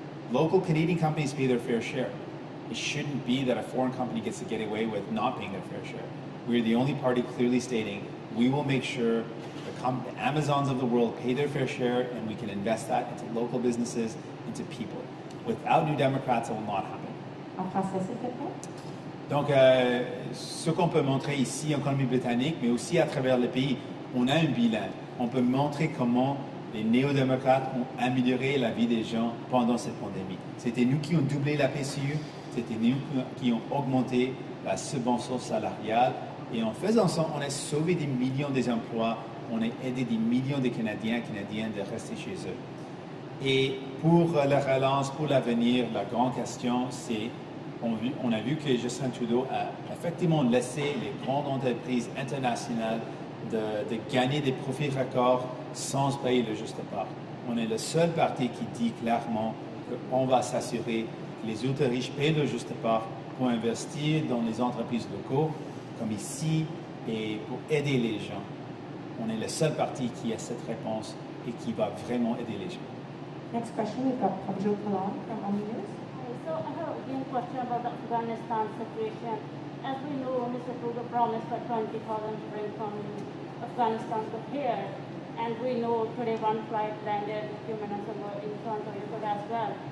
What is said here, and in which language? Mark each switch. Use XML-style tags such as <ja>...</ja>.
<en>Local Canadian companies pay their fair share. It shouldn't be that a foreign company gets to get away with not paying their fair share. We are the only party clearly stating we will make sure the Amazons of the world pay their fair share, and we can invest that into local businesses, into people. Without New Democrats, it will not happen.</en> <fr>En français, s'il te plaît. Donc, ce qu'on peut montrer ici en Colombie-Britannique, mais aussi à travers le pays, on a un bilan. On peut montrer comment les néo-démocrates ont amélioré la vie des gens pendant cette pandémie. C'était nous qui ont doublé la PCU, c'était nous qui ont augmenté la subvention salariale, et en faisant ça, on a sauvé des millions d'emplois, on a aidé des millions de Canadiens et Canadiennes de rester chez eux. Et pour la relance, pour l'avenir, la grande question, c'est on a vu que Justin Trudeau a effectivement laissé les grandes entreprises internationales de gagner des profits records sans payer le juste part. On est le seul parti qui dit clairement qu'on va s'assurer que les ultra-riches payent le juste part pour investir dans les entreprises locaux, comme ici, et pour aider les gens. On est le seul parti qui a cette réponse et qui va vraiment aider les gens.</fr> <en>Next question, we've got Prabhjo Kalan from Omnius. Okay, so I have a big question about the Afghanistan situation. As we know, Mr. Trudeau promised that 20,000 to bring from Afghanistan to here. And we know today one flight landed a few minutes ago in front of Ukraine as well.</en>